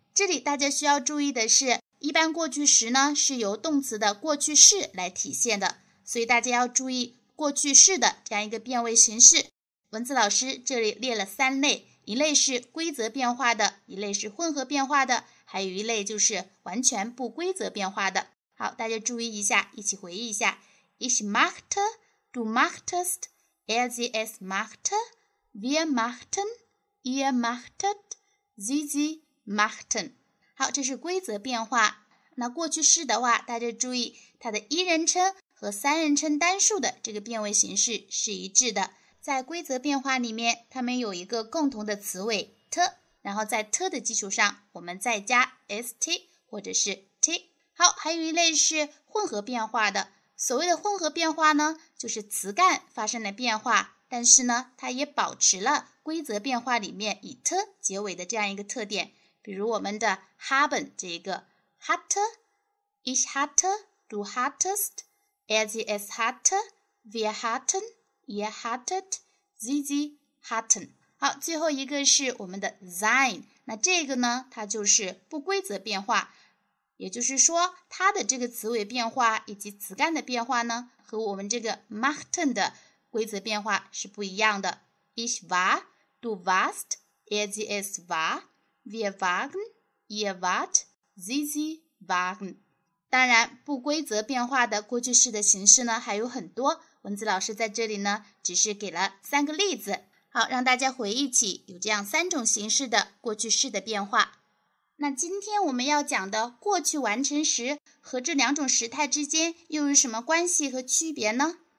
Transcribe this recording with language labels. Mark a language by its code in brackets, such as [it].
[zh] 这里大家需要注意的是，一般过去时呢，是由动词的过去式来体现的，所以大家要注意过去式的这样一个变位形式。文字老师这里列了三类，一类是规则变化的，一类是混合变化的，还有一类就是完全不规则变化的。好，大家注意一下，一起回忆一下 [de] Ich machte, du machtest, er sie es machte, wir machten, ihr machtet, sie sie machten。 [zh] 好，这是规则变化。那过去式的话，大家注意它的一人称和三人称单数的这个变位形式是一致的。在规则变化里面，它们有一个共同的词尾 t， 然后在 t 的基础上我们再加 st 或者是 t。好，还有一类是混合变化的。所谓的混合变化呢，就是词干发生了变化，但是呢它也保持了规则变化里面以 t 结尾的这样一个特点。比如我们的 [de] haben 这一个 hatte ich hatte du hattest er sie es hatte wir hattenYou hatted, ZZ hatten。 [zh] 好，最后一个是我们的 sein， 那这个呢它就是不规则变化，也就是说它的这个词尾变化以及词干的变化呢和我们这个 machten 的规则变化是不一样的。 [de] Ich war, du warst, er sie es war, wir waren, ihr wart, ZZ waren。 [zh] 当然不规则变化的过去式的形式呢还有很多，文字老师在这里呢只是给了三个例子。好，让大家回忆起有这样三种形式的过去式的变化。那今天我们要讲的过去完成时和这两种时态之间又有什么关系和区别呢？